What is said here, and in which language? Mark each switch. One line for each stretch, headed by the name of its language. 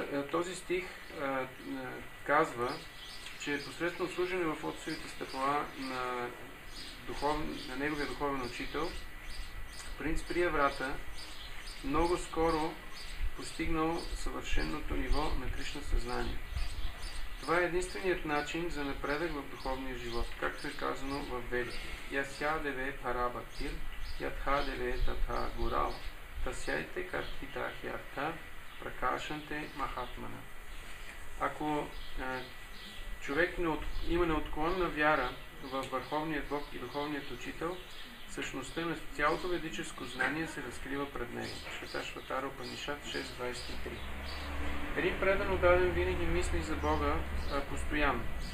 Bulgarian: Този стих казва, че посредством служене в отцовите стъпала на неговия духовен учител, принц Прия врата много скоро постигнал съвършеното ниво на Кришна съзнание. Това е единственият начин за напредък в духовния живот, както е казано в Ведите.
Sanskrit: Ясядеве парабатир, ятхадеве татха гурал, тасяйте картхита хиарта, пракашанте махатмана.
Bulgarian: Ако човек има неотклонна вяра в върховният Бог и духовният учител, същността на цялото ведическо знание се разкрива пред него. Света Шватара Упанишат 6.23. Един предан отдаден винаги мисли за Бога постоянно.